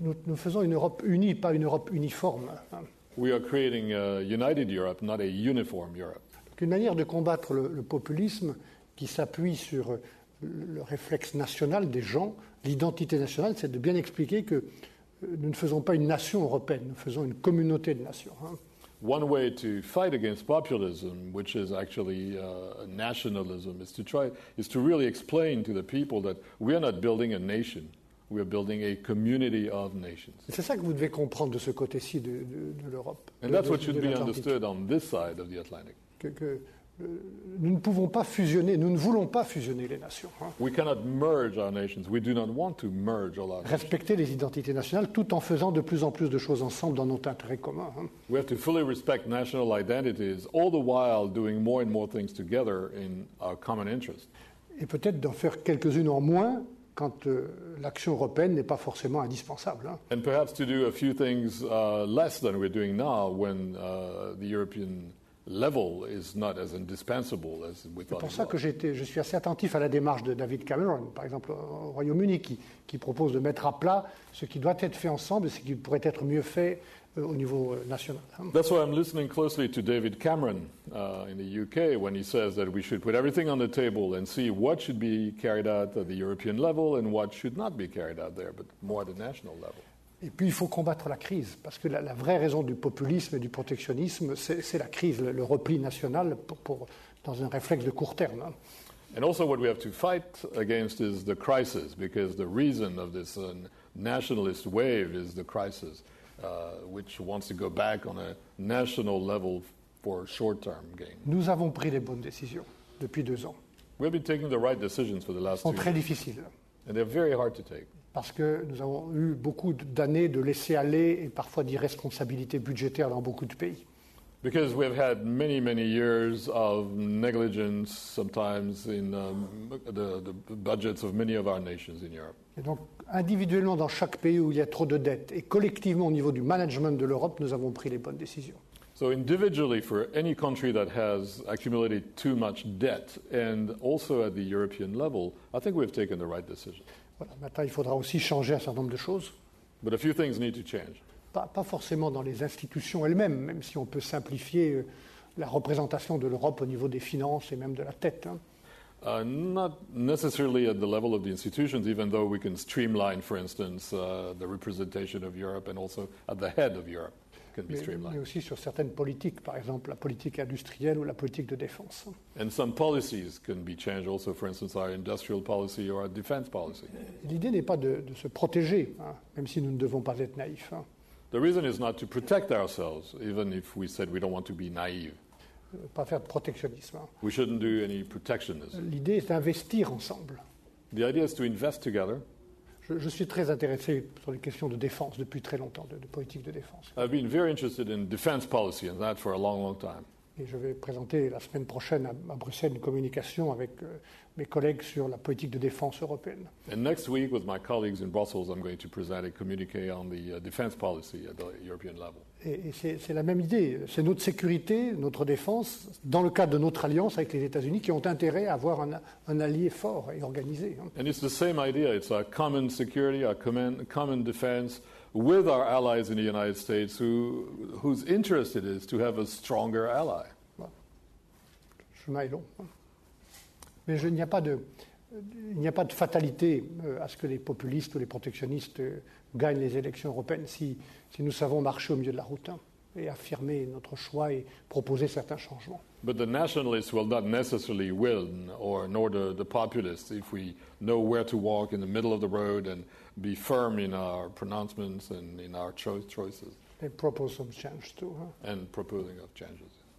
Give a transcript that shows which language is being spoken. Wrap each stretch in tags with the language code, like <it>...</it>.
<fr>Nous faisons une Europe unie, pas une Europe uniforme. Hein.</fr> <en>We are creating a united Europe, not a uniform Europe.</en> <fr>Une manière de combattre le populisme qui s'appuie sur le réflexe national des gens, l'identité nationale, c'est de bien expliquer que nous ne faisons pas une nation européenne, nous faisons une communauté de nations. Hein.</fr> <en>One way to fight against populism, which is actually nationalism, is to really explain to the people that we are not building a nation. We are building a community of nations.</en> <fr>C'est ça que vous devez comprendre de ce côté-ci de l'Europe.</fr> <en>And that's what should be understood on this side of the Atlantic.</en> <fr>Que nous ne pouvons pas fusionner, nous ne voulons pas fusionner les nations.</fr> <en>We cannot merge our nations. We do not want to merge all our nations.</en> <fr>Respecter les identités nationales tout en faisant de plus en plus de choses ensemble dans notre intérêt commun.</fr> <en>We have to fully respect national identities, all the while doing more and more things together in our common interest.</en> <fr>Et peut-être d'en faire quelques-unes en moins quand l'action européenne n'est pas forcément indispensable.</fr> <en>And perhaps to do a few things less than we're doing now when the European level is not as indispensable as we thought.</en> <fr>C'est pour ça que je suis assez attentif à la démarche de David Cameron, par exemple au Royaume-Uni, qui propose de mettre à plat ce qui doit être fait ensemble et ce qui pourrait être mieux fait au niveau national.</fr> <en>That's why I'm listening closely to David Cameron in the UK when he says that we should put everything on the table and see what should be carried out at the European level and what should not be carried out there, but more at the national level.</en> <fr>Et puis il faut combattre la crise, parce que la vraie raison du populisme et du protectionnisme, c'est la crise, le repli national dans un réflexe de court terme.</fr> <en>And also what we have to fight against is the crisis, because the reason of this nationalist wave is the crisis. Which wants to go back on a national level for short-term gain.</en> <fr>Nous avons pris les bonnes décisions depuis 2 ans.</fr> <en>We've been taking the right decisions for the last 2 years.</en> <fr>Sont très difficiles.</fr> <en>And they're very hard to take.</en> <fr>Parce que nous avons eu beaucoup d'années de laisser-aller et parfois d'irresponsabilité budgétaire dans beaucoup de pays.</fr> <en>Because we've had many, many years of negligence sometimes in the budgets of many of our nations in Europe.</en> <fr>Et donc, individuellement dans chaque pays où il y a trop de dettes et collectivement au niveau du management de l'Europe, nous avons pris les bonnes décisions.</fr> <en>So individually for any country that has accumulated too much debt and also at the European level, I think we've taken the right decision.</en> <fr>Voilà, maintenant il faudra aussi changer un certain nombre de choses.</fr> <en>But a few things need to change.</en> <fr>Pas forcément dans les institutions elles-mêmes, même si on peut simplifier la représentation de l'Europe au niveau des finances et même de la tête.</fr> <en>Not necessarily at the level of the institutions, even though we can streamline, for instance, the representation of Europe, and also at the head of Europe can be streamlined.</en> <fr>Mais aussi sur certaines politiques, par exemple la politique industrielle ou la politique de défense.</fr> <en>And some policies can be changed also, for instance, our industrial policy or our defense policy.</en> <fr>L'idée n'est pas de se protéger, même si nous ne devons pas être naïfs.</fr> <en>The reason is not to protect ourselves, even if we said we don't want to be naive.</en> <fr>Pas faire de protectionnisme.</fr> <en>We shouldn't do any protectionism.</en> <fr>L'idée est d'investir ensemble.</fr> <en>The idea is to invest together.</en> <fr>Je suis très intéressé sur les questions de défense depuis très longtemps, de politique de défense.</fr> <en>I've been very interested in defense policy and that for a long, long time.</en> <fr>Et je vais présenter la semaine prochaine à Bruxelles une communication avec mes collègues sur la politique de défense européenne.</fr> <en>And next week with my colleagues in Brussels, I'm going to present a communiqué on the defense policy at the European level.</en> <fr>Et c'est la même idée. C'est notre sécurité, notre défense, dans le cadre de notre alliance avec les États-Unis, qui ont intérêt à avoir un allié fort et organisé.</fr> <en>And it's the same idea. It's our common security, our common defense with our allies in the United States, whose interest it is to have a stronger ally.</en> <fr>Le chemin est long. Mais il n'y a pas de fatalité à ce que les populistes ou les protectionnistes gagnent les élections européennes si nous savons marcher au milieu de la route et affirmer notre choix et proposer certains changements.</fr> <en>But the nationalists will not necessarily win, or nor the populists, if we know where to walk in the middle of the road and be firm in our pronouncements and in our choices. They propose some changes too. Huh? And proposing of changes.</en>